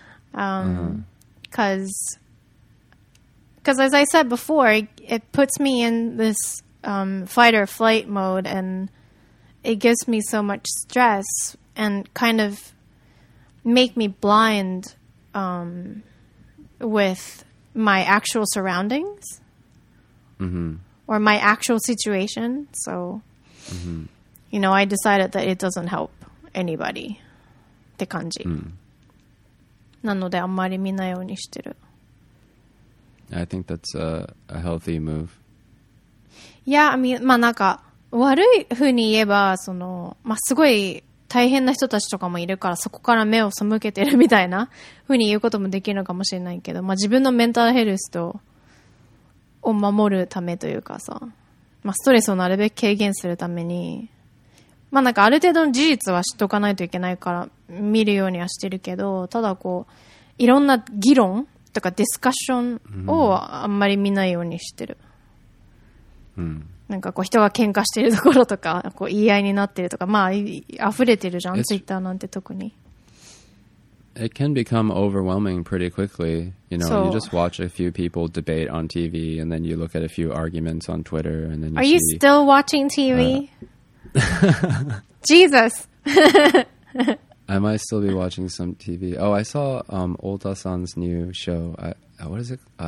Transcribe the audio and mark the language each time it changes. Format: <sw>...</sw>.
<en>Because, as I said before, it puts me in this fight or flight mode, and it gives me so much stress and kind of,make me blind with my actual surroundings. Mm-hmm. Or my actual situation. So, mm-hmm. you know, I decided that it doesn't help anybody.</en> <ja>って感じ。 Mm-hmm. なのであんまり見ないようにしてる。</ja> <en>I think that's a healthy move. Yeah, I mean,</en> <ja>まあなんか悪い風に言えば、その、まあすごい大変な人たちとかもいるから、そこから目を背けてるみたいな風に言うこともできるのかもしれないけど、まあ自分のメンタルヘルスとを守るためというかさ、まあストレスをなるべく軽減するために、まあなんかある程度の事実は知っておかないといけないから見るようにはしてるけど、ただこう、いろんな議論とかディスカッションをあんまり見ないようにしてる。うん。なんかこう人が喧嘩してるところとか、こう言い合いになってるとか、まあ溢れてるじゃん、ツイッターなんて特に。</ja> <en>It can become overwhelming pretty quickly. You know, you just watch a few people debate on TV and then you look at a few arguments on Twitter and then you see... Are you still watching TV? Jesus! Am I still be watching some TV? Oh, I saw Olta-san's new show. What is it?</en>